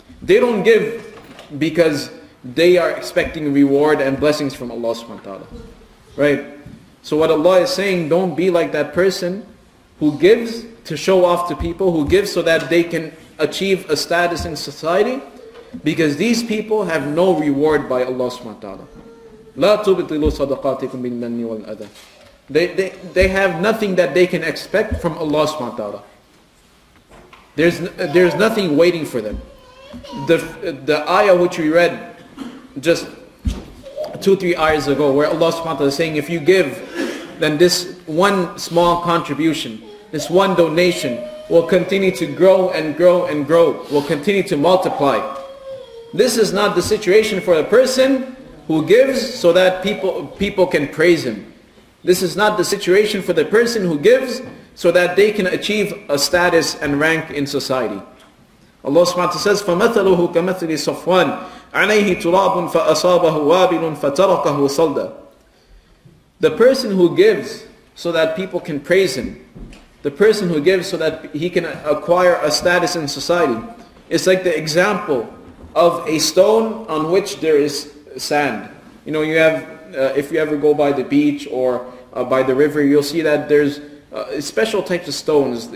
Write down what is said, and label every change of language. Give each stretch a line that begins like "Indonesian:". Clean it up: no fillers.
English: They don't give because they are expecting reward and blessings from Allah subhanahu wa ta'ala. Right? So what Allah is saying, don't be like that person who gives to show off to people, who gives so that they can achieve a status in society, because these people have no reward by Allah subhanahu wa ta'ala.
Arabic: لا تبطلوا صدقاتكم بالمن والأذى.
English: They have nothing that they can expect from Allah subhanahu wa ta'ala. There's nothing waiting for them. The ayah which we read just 2-3 ayahs ago, where Allah subhanahu wa ta'ala is saying, if you give, then this one small contribution, this one donation will continue to grow and grow and grow, will continue to multiply. This is not the situation for a person who gives so that people can praise him. This is not the situation for the person who gives so that they can achieve a status and rank in society. Allah subhanahu wa ta'ala says,
Arabic: فَمَثَلُهُ كَمَثَلِ صَفْوَانِ عَلَيْهِ تُرَابٌ فَأَصَابَهُ وَابِلٌ فَتَرَقَهُ صَلْدًا.
English: The person who gives so that people can praise him, the person who gives so that he can acquire a status in society, it's like the example of a stone on which there is sand. You know, you have, if you ever go by the beach or by the river, you'll see that there's special types of stones.